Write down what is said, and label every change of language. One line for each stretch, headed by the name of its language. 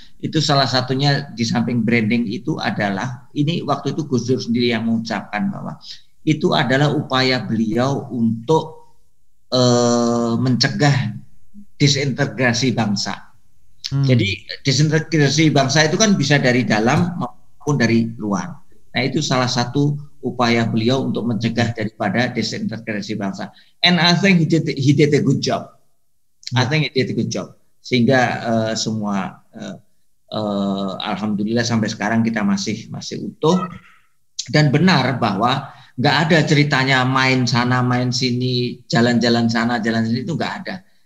Indonesian: Itu salah satunya di samping branding itu adalah, ini waktu itu Gus Dur sendiri yang mengucapkan bahwa itu adalah upaya beliau untuk mencegah disintegrasi bangsa. Jadi disintegrasi bangsa itu kan bisa dari dalam maupun dari luar. Nah itu salah satu upaya beliau untuk mencegah daripada disintegrasi bangsa.
English: And I think he did a good job.
Indonesian: Sehingga semua alhamdulillah sampai sekarang kita masih utuh. Dan benar bahwa enggak ada ceritanya main sana main sini, jalan-jalan sana jalan sini, itu enggak ada.